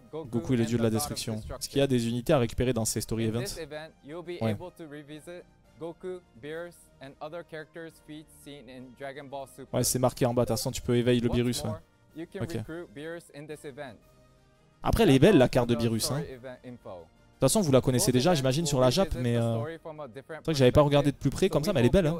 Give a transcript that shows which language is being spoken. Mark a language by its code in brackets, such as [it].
[fr] Goku et les dieux de la destruction. Est-ce qu'il y a des unités à récupérer dans ces story events? Ouais. [en] Goku, Beerus and other characters feats seen in Dragon Ball Super. [fr] Ouais, c'est marqué en bas, de toute façon, tu peux éveiller le Beerus. Ouais. [en] You can recruit Beerus in this event. [fr] Après, elle est belle la carte de Beerus, hein. De toute façon, vous la connaissez déjà, j'imagine, sur la JAP, mais c'est vrai que j'avais pas regardé de plus près comme ça, mais elle est belle, hein.